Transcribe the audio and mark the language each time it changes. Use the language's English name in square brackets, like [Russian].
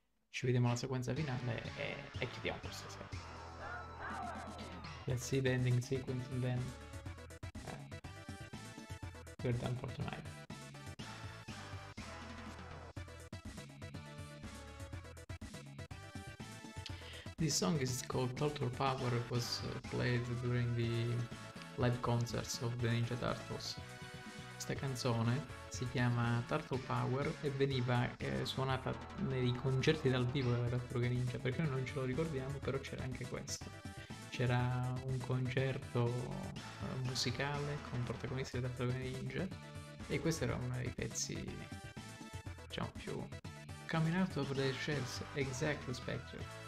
[Italian] Ci vediamo alla sequenza finale e chiudiamo questa sera. [English] Let's see the ending sequence and then we're done for tonight. This song is called Turtle Power. It was played during the live concerts of the Ninja Turtles. Stay [Italian] questa canzone si chiama Turtle Power e veniva suonata nei concerti dal vivo della Tartaruga Ninja, perché noi non ce lo ricordiamo, però c'era anche questo. C'era un concerto musicale con protagonisti della Tartaruga Ninja e questo era uno dei pezzi, diciamo, più... [English] Coming out of the shells, exactly, Spectre.